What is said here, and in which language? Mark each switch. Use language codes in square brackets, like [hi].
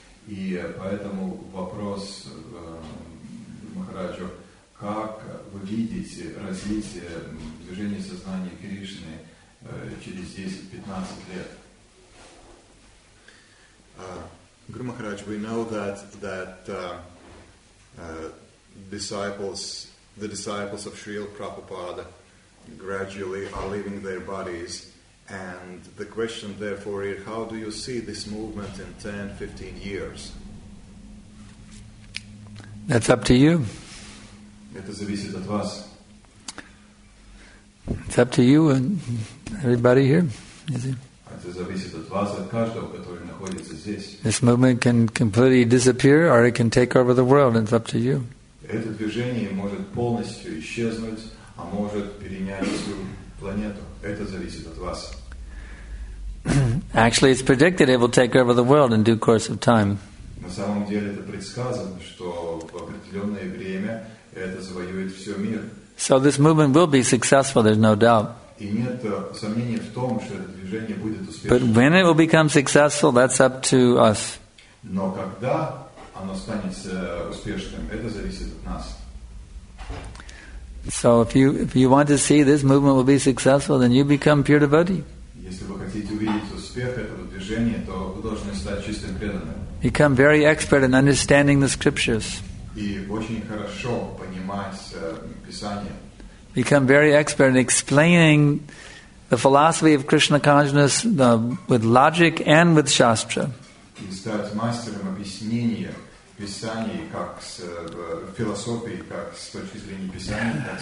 [ru] И поэтому вопрос Махараджу, как вы видите развитие движения сознания Кришны через 10-15 лет? [en] Guru Maharaj, we know that the disciples of Srila Prabhupada gradually are leaving their bodies. And the question, therefore, is how do you see this movement in 10, 15 years? That's up to you. [ru] Это зависит от вас. [en] It's up to you and everybody here. [ru] Это зависит от вас, от каждого, который находится здесь. [en] This movement can completely disappear or it can take over the world. It's up to you. [ru] Это движение может полностью исчезнуть, а может перенять всю планету. Это зависит от вас. [en] Actually, it's predicted it will take over the world in due course of time. [ru] На самом деле это предсказано, что в определенное время это завоюет все мир. [en] So this movement will be successful, there's no doubt. [ru] И нет сомнений в том, что это движение будет успешным. [en] But when it will become successful, that's up to us. [ru] Но когда оно станет успешным, это зависит от нас. [en] So if you want to see this movement will be successful, then you become pure devotee. [ru] Если вы хотите увидеть успех этого движения, то вы должны стать чистым преданным. [en] Become very expert in understanding the scriptures. [ru] И очень хорошо понимать Писание. [en] Become very expert in explaining the philosophy of Krishna consciousness with logic and with shastra. [ru] И стать мастером объяснения Писания как с философией, как с точки зрения Писания.